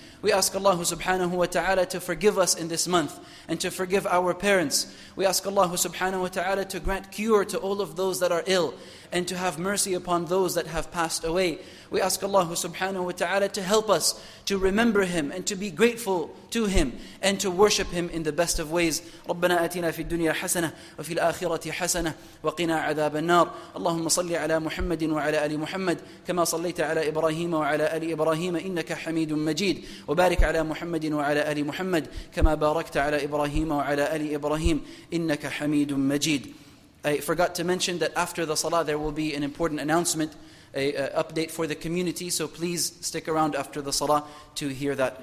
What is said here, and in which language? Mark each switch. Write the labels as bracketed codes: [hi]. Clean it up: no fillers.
[en] We ask Allah subhanahu wa ta'ala to forgive us in this month and to forgive our parents. We ask Allah subhanahu wa ta'ala to grant cure to all of those that are ill and to have mercy upon those that have passed away. We ask Allah subhanahu wa ta'ala to help us to remember Him and to be grateful to Him and to worship Him in the best of ways. [ar] رَبَّنَا آتِنَا فِي الدُّنْيَا حَسَنَةً وَفِي الْآخِرَةِ حَسَنَةً وَقِنَا عَذَابَ النَّارِ اللهم صل على محمد وعلى آل محمد كما صليت على إبراهيم وعلى آل إبراهيم إنك حميد مجيد وبارك على محمد وعلى آل محمد كما باركت على إبراهيم وعلى آل إبراهيم إنك حميد مجيد. [en] I forgot to mention that after the salah there will be an important announcement, an update for the community, so please stick around after the salah to hear that.